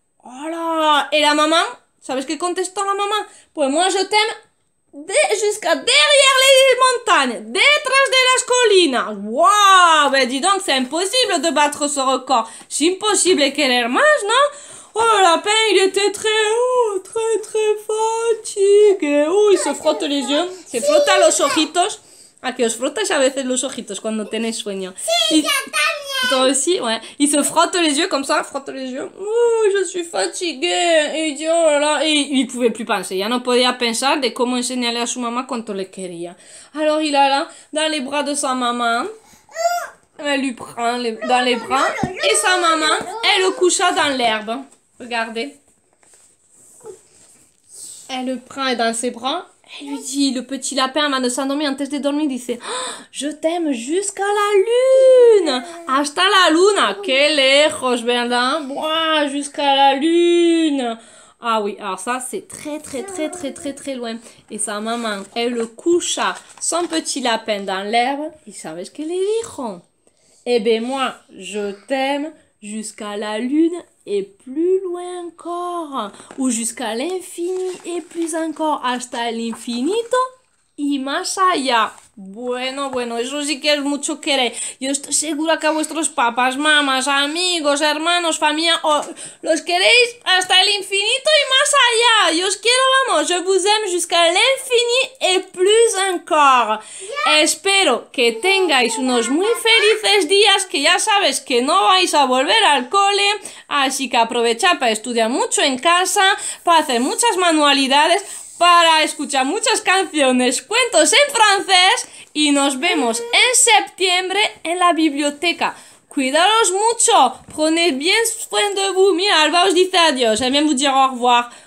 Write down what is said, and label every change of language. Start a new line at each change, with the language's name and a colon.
French: Oh là, et la maman,
Spanish: sabes que contestó
French: la maman?
Spanish: Pues
French: moi je t'aime jusqu'à derrière les montagnes,
Spanish: detrás de las colinas.
French: Waouh, ben dis donc, c'est impossible de battre ce record. C'est impossible qu'elle mange, non? Oh, le lapin, il était très haut, très, très fatigué. Il se frotte les yeux.
Spanish: Se frotta los ojitos. A que os frotas a veces los ojitos cuando tenés sueño. Sí, yo también.
French: Toi aussi, ouais. Il se frotte les yeux comme ça, frotte les yeux. Oh, je suis fatigué. Et oh là là. Et il pouvait plus penser.
Spanish: Ya no podía pensar de cómo enseñarle a su mamá cuánto le quería.
French: Alors, il alla dans les bras de sa maman. Elle lui prend dans les bras. Et sa maman, elle le coucha dans l'herbe. Regardez. Elle le prend dans ses bras. Elle lui dit, le petit lapin, avant de s'endormir, en tête de dormir, il dit, oh, je t'aime jusqu'à la lune.
Spanish: Hasta la luna. Que lejos, ¿verdad? Buah,
French: jusqu'à la lune. Ah oui, alors ça, c'est très, très, très, très, très, très loin. Et sa maman, elle le coucha, son petit lapin, dans l'herbe. Il savait ce qu'elle dit. Eh bien, moi, je t'aime jusqu'à la lune et plus loin encore. Ou jusqu'à l'infini et plus encore.
Spanish: Hasta el infinito y más allá. Bueno, bueno, eso sí que es mucho querer. Yo estoy segura que a vuestros papás, mamás, amigos, hermanos, familia, los queréis hasta el infinito y más allá. Yo os quiero, vamos,
French: je vous aime jusqu'à l'infini et plus encore.
Spanish: Espero que tengáis unos muy felices días, que ya sabes que no vais a volver al cole, así que aprovechad para estudiar mucho en casa, para hacer muchas manualidades, para escuchar muchas canciones, cuentos en francés y nos vemos en septiembre en la biblioteca. Cuidaros mucho,
French: prenez bien soin de vous.
Spanish: Mira, Alba os dice adiós,
French: elle vient vous dire au revoir.